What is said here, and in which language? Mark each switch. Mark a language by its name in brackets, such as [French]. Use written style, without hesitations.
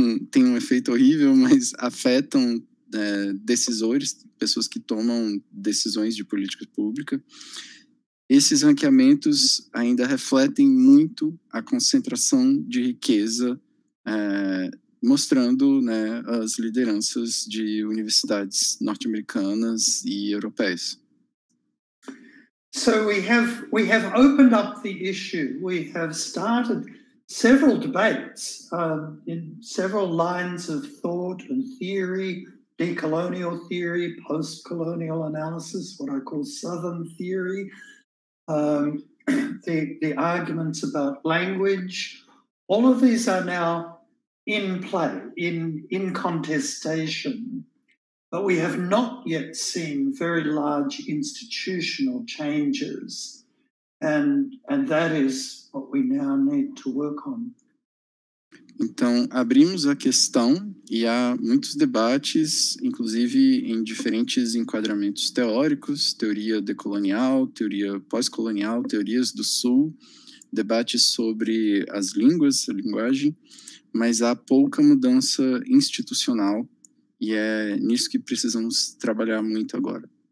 [Portuguese] tem um efeito horrível, mas afetam decisores, pessoas que tomam decisões de política pública, esses ranqueamentos ainda refletem muito a concentração de riqueza, mostrando, né, as lideranças de universidades norte-americanas e europeias. [English] So we have opened up the issue. We have started several debates in several lines of thought and theory, decolonial theory, post-colonial analysis, what I call Southern theory, the arguments about language. All of these are now in play, in contestation, but we have not yet seen very large institutional changes, and that is what we now need to work on. [Portuguese] Então, abrimos a questão e há muitos debates, inclusive em diferentes enquadramentos teóricos, teoria decolonial, teoria pós-colonial, teorias do Sul, debates sobre as línguas, a linguagem, mas há pouca mudança institucional e é nisso que precisamos trabalhar muito agora.